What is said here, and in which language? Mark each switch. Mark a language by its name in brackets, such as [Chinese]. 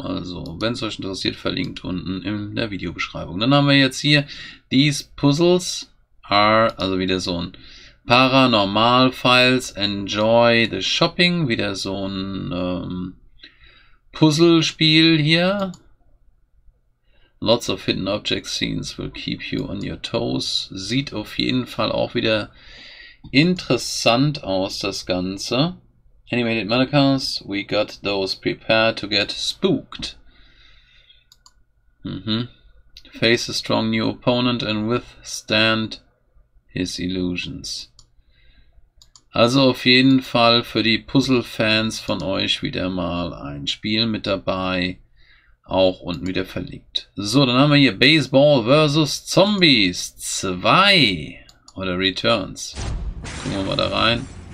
[German] Also, wenn es euch interessiert, verlinkt unten in der Videobeschreibung. Dann haben wir jetzt hier, [English] these puzzles are, [German] also wieder so ein Paranormal Files, [English] enjoy the shopping, [German] wieder so ein Puzzlespiel hier. [English] Lots of hidden object scenes will keep you on your toes. [German] Sieht auf jeden Fall auch wieder interessant aus, das Ganze. [English] Animated Mannequins, we got those prepared to get spooked. Mhm. Face a strong new opponent and withstand his illusions. [German] Also auf jeden Fall für die Puzzle-Fans von euch wieder mal ein Spiel mit dabei. Auch unten wieder verlinkt. So, dann haben wir hier Baseball vs. Zombies 2 oder Returns. Gucken wir mal da rein.